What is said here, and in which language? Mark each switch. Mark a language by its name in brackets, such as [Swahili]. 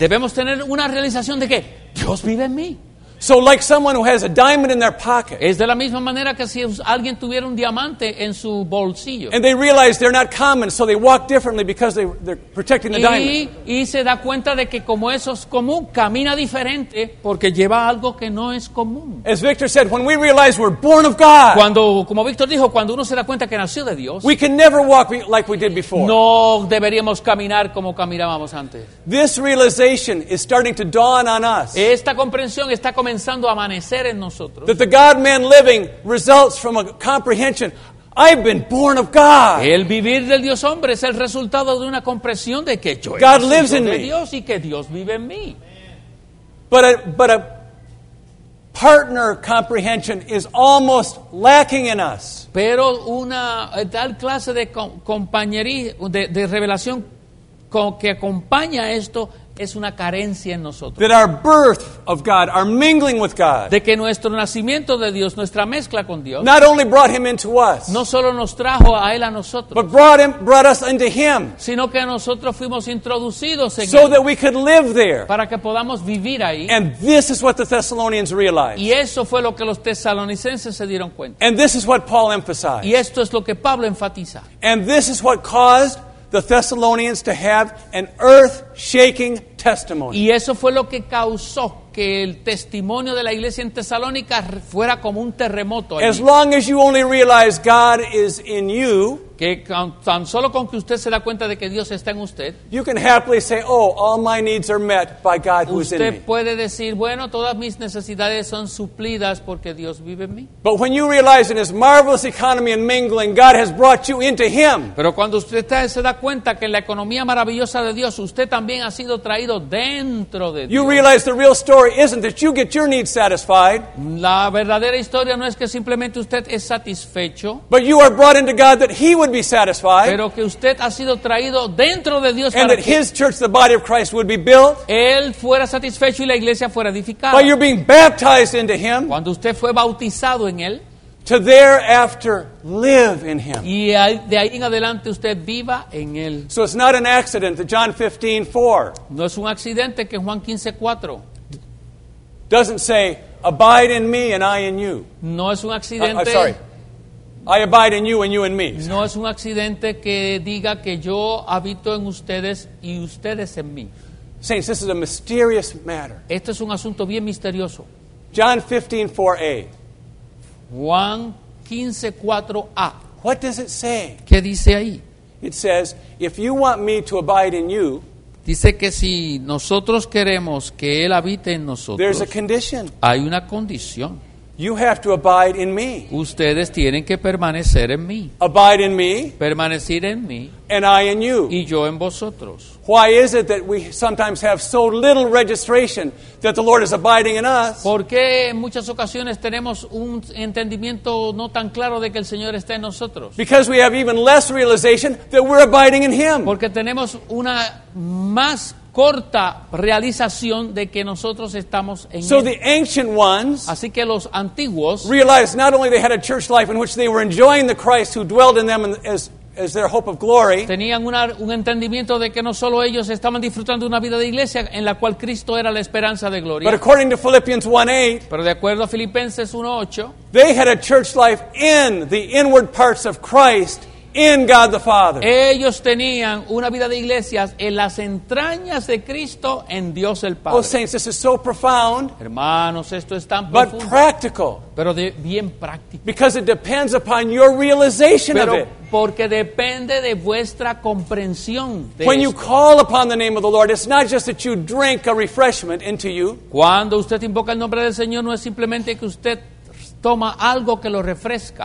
[Spanish] Debemos tener una realización de que Dios vive en mí. [English] So like someone who has a diamond in their pocket. [Spanish] Es de la misma manera que si alguien tuviera un diamante en su bolsillo. [English] And they realize they're not common, so they walk differently because they're protecting the diamond. [Spanish] Y se da cuenta de que como eso es común, camina diferente porque lleva algo que no es común. [English] As Victor said, when we realize we're born of God. [Spanish] Cuando, como Victor dijo, cuando uno se da cuenta que nació de Dios. [English] We can never walk like we did before. [Spanish] No deberíamos caminar como caminábamos antes. [English] This realization is starting to dawn on us. [Spanish] Esta comprensión está comenzando a amanecer en nosotros. [English] That the God-man living results from a comprehension. I've been born of God. [Spanish] El vivir del Dios hombre es el resultado de una comprensión de que yo soy [English] God lives [Spanish] de [English] in me. [Spanish] Dios y que Dios vive en mí. [English] But a partner comprehension is almost lacking in us. [Spanish] Pero una tal clase de compañerismo de revelación que acompaña esto es una carencia en nosotros. [English] That our birth of God, our mingling with God, [Spanish] de que nuestro nacimiento de Dios, nuestra mezcla con Dios, [English] not only brought him into us, [Spanish] no solo nos trajo a él a nosotros, [English] but brought us into him, [Spanish] sino que nosotros fuimos introducidos en [English] so [Spanish] él, [English] so that we could live there, [Spanish] para que podamos vivir ahí. [English] And this is what the Thessalonians realized. [Spanish] Y eso fue lo que los tesalonicenses se dieron cuenta. [English] And this is what Paul emphasized. [Spanish] Y esto es lo que Pablo enfatiza. [English] And this is what caused the Thessalonians to have an earth-shaking testimony. [Spanish] Y eso fue lo que causó que el testimonio de la iglesia en Tesalónica fuera como un terremoto. [English] As long as you only realize God is in you, [Spanish] Que tan solo con que usted se da cuenta de que Dios está en usted, [English] you can happily say, oh, all my needs are met by God who's in me. [Spanish] Usted puede decir, bueno, todas mis necesidades son suplidas porque Dios vive en mí. [English] But when you realize in his marvelous economy and mingling, God has brought you into him. [Spanish] Pero cuando usted se da cuenta que en la economía maravillosa de Dios, usted también ha sido traído dentro de Dios. [English] You realize the real story isn't that you get your needs satisfied. [Spanish] La verdadera historia no es que simplemente usted es satisfecho. [English] But you are brought into God that he would be satisfied. [Spanish] Pero que usted ha sido traído dentro de Dios. [English] And that his church, the body of Christ, would be built. [Spanish] Él fuera satisfecho y la iglesia fuera edificada. [English] But you're being baptized into him. [Spanish] Cuando usted fue bautizado en él. [English] To thereafter live in him. [Spanish] Y de ahí en adelante usted viva en él. [English] So it's not an accident that John 15:4. [Spanish] No es un accidente que Juan 15:4. [English] Doesn't say abide in me and I in you. [Spanish] No es un accidente. [English] I'm sorry. I abide in you and you in me. [Spanish] No es un accidente que diga que yo habito en ustedes y ustedes en mí. [English] Saints, this is a mysterious matter. [Spanish] Este es un asunto bien misterioso. [English] John 15:4a. [Spanish] Juan 15:4a. [English] What does it say? [Spanish] ¿Qué dice ahí? [English] It says, if you want me to abide in you. [Spanish] Dice que si nosotros queremos que Él habite en nosotros. [English] There's a condition. [Spanish] Hay una condición. [English] You have to abide in me. [Spanish] Ustedes tienen que permanecer en mí. [English] Abide in me. [Spanish] Permanecer en mí. [English] And I in you. [Spanish] Y yo en vosotros. [English] Why is it that we sometimes have so little registration that the Lord is abiding in us? [Spanish] ¿Por qué en muchas ocasiones tenemos un entendimiento no tan claro de que el Señor está en nosotros? [English] Because we have even less realization that we're abiding in him. [Spanish] Porque tenemos una más corta realización de que nosotros estamos en él. [English] So the ancient ones, [Spanish] así que los antiguos, [English] realized not only they had a church life in which they were enjoying the Christ who dwelled in them as their hope of glory. [Spanish] Tenían un entendimiento de que no solo ellos estaban disfrutando una vida de iglesia en la cual Cristo era la esperanza de gloria. [English] But according to Philippians 1:8, [Spanish] pero de acuerdo a Filipenses 1:8, [English] they had a church life in the inward parts of Christ. In God the Father. [Spanish] Ellos tenían una vida de iglesias en las entrañas de Cristo en Dios el Padre. [English] Oh, saints, this is so profound. [Spanish] Hermanos, esto es tan [English] but [Spanish] profundo. [English] Practical. [Spanish] Pero bien práctico. [English] Because it depends upon your realization [Spanish] pero [English] of it. [Spanish] Porque depende de vuestra comprensión de [English] when [Spanish] esto. [English] You call upon the name of the Lord, it's not just that you drink a refreshment into you. [Spanish] Cuando usted invoca el nombre del Señor, no es simplemente que usted toma algo que lo refresca.